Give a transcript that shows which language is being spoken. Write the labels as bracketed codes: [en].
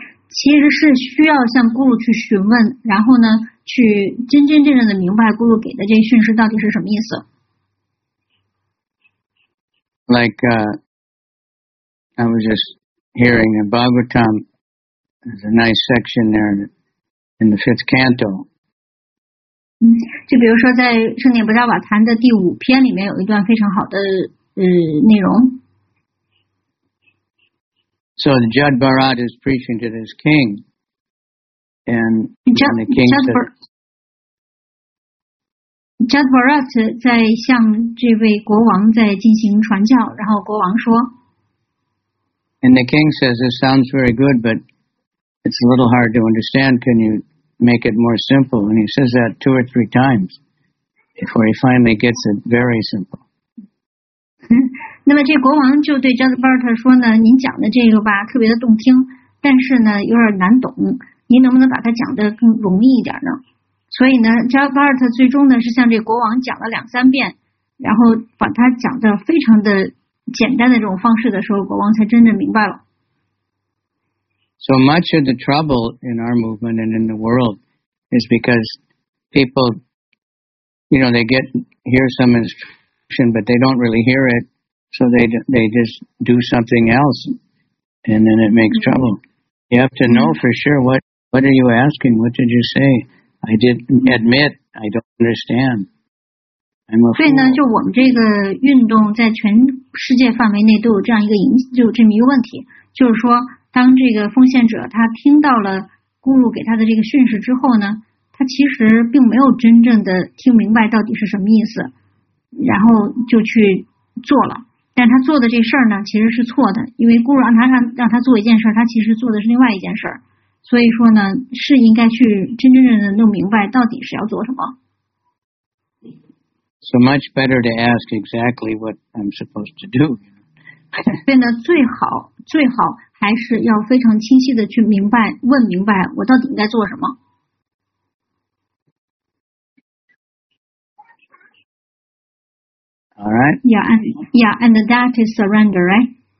[zh] 其实是需要向咕噜去询问，然后呢去真真正正的明白咕噜给的这些讯息到底是什么意思。 [en] Like, I was just hearing a Bhagavatam, there's a nice section there in the fifth canto. [zh] 就比如说在圣典不加瓦坛的第五篇里面有一段非常好的内容。 [en] So the Jad Bharat is preaching to this king, and the king said, [zh] Jad Bharat 在向这位国王在进行传教，然后国王说， [en] And the king says, this sounds very good, but it's a little hard to understand. Can you make it more simple? And he says that two or three times before he finally gets it very simple. [zh] 那么这国王就对 Jasbert 说呢，您讲的这个吧特别的动听，但是呢有点难懂，您能不能把它讲得更容易一点呢？所以呢 Jasbert 最终呢是向这国王讲了两三遍，然后把它讲得非常的简单的这种方式的时候，国王才真正明白了。 [en] So much of the trouble in our movement and in the world is because people, you know, they get hear some instruction but they don't really hear itSo they just do something else, and then it makes trouble. You have to know for sure what are you asking? What did you say? I did admit I don't understand. I'm a fool. [zh] 对呢，就我们这个运动在全世界范围内都有这样一个影，就这么一个问题，就是说，当这个奉献者他听到了咕噜给他的这个训示之后呢，他其实并没有真正的听明白到底是什么意思，然后就去做了。但他做的这事儿呢其实是错的，因为咕噜让他做一件事，他其实做的是另外一件事，所以说呢是应该去真真正正弄明白到底是要做什么。 [en] So much better to ask exactly what I'm supposed to do. [zh] 对呢，最好还是要非常清晰的去明白，问明白我到底应该做什么。 [en] All right. Yeah, and that is surrender, right?